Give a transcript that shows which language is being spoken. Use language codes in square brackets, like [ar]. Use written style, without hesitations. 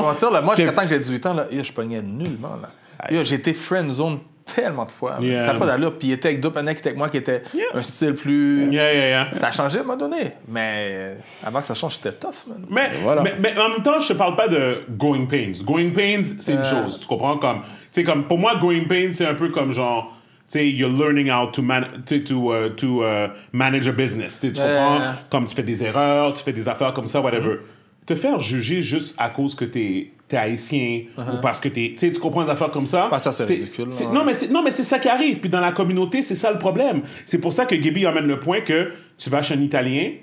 [fr] Moi, quand j'ai 18 ans, je pognais nullement. J'étais friend-zone tellement de fois. T'as pas d'allure. Puis il était avec Dopanek, qui était avec moi, qui était un style plus... Ça a changé à un moment donné. Mais avant que ça change, c'était tough, man. Mais en même temps, je te parle pas de growing pains. Growing pains, c'est une chose. Tu comprends? T'sais, comme pour moi, growing pains, c'est un peu comme genre... T'sais, [en] you're learning how to manage a business. [fr] T'sais, tu comprends? Comme tu fais des erreurs, tu fais des affaires comme ça, whatever. Te faire juger juste à cause que t'es haïtien ou parce que t'es... T'sais, tu comprends des affaires comme ça? Bah, ça, c'est ridicule. Non, mais c'est ça qui arrive. Puis dans la communauté, c'est ça le problème. C'est pour ça que Gabby amène le point que tu vas chez un Italien.